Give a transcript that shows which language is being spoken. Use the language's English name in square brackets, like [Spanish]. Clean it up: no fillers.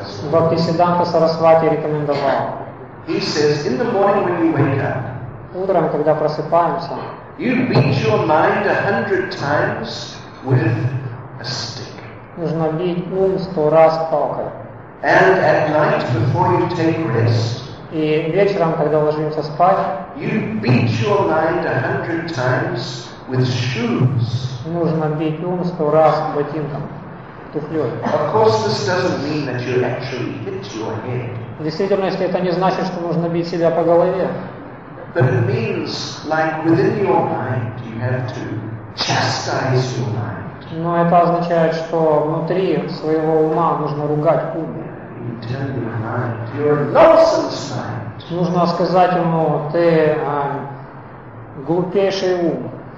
[Russian] Бхактисиддханта Сарасвати рекомендовал. [English] He says, in the morning when you wake up, [Russian] утром, когда просыпаемся, [English] you beat your mind 100 times with a stick. [Russian] Нужно бить ум 100 раз палкой. [English] And at night before you take rest, [Russian] и вечером, когда ложимся спать, [English] you beat your mind 100 times with shoes. [Russian] Нужно бить ум 100 раз ботинком. [English] Of course, this doesn't mean that you actually hit your head. [Russian] В действительности это не значит, что нужно бить себя по голове. [English] But it means, like within your mind, you have to chastise your mind. [Russian] Но это означает, что внутри своего ума нужно ругать ум. [English] You tell your mind, you're a nonsense mind. [Russian] Нужно сказать ему, ты глупейший ум.